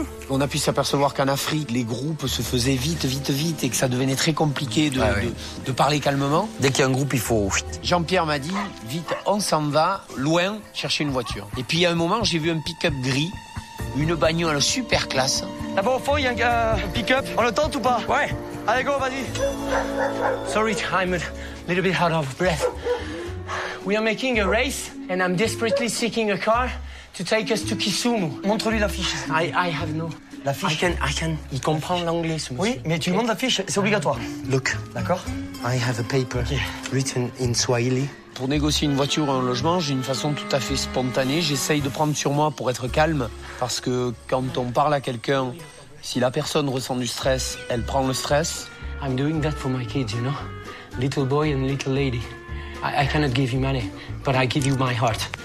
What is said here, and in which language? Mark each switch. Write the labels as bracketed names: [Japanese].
[French] On a pu s'apercevoir qu'en Afrique, les groupes se faisaient vite, et que ça devenait très compliqué de parler calmement. Dès qu'il y a un groupe, il faut... Jean-Pierre m'a dit, vite, on s'en va, loin, chercher une voiture. Et puis, à un moment, j'ai vu un pick-up gris, une bagnole super classe. Là-bas, au fond, il y a un pick-up. On le tente ou pas? Ouais. Allez, [English] go, [French] vas-y. [English] Sorry, I'm a little bit out of breath. We are making a race, and I'm desperately seeking a car to take us to Kisumu. [French] Montre-lui l'affiche. [English] I have no. [French] L'affiche. [English] I can. [French] Il comprend l'anglais, ce monsieur. Oui, mais tu lui montres l'affiche, c'est obligatoire. [English] Look. [French] D'accord. [English] I have a paper written in Swahili. [French] Pour négocier une voiture ou un logement, j'ai une façon tout à fait spontanée. J'essaye de prendre sur moi pour être calme, parce que quand on parle à quelqu'un, si la personne ressent du stress, elle prend le stress. [English] I'm doing that for my kids, you know? Little boy and little lady. I cannot give you money, but I give you my heart.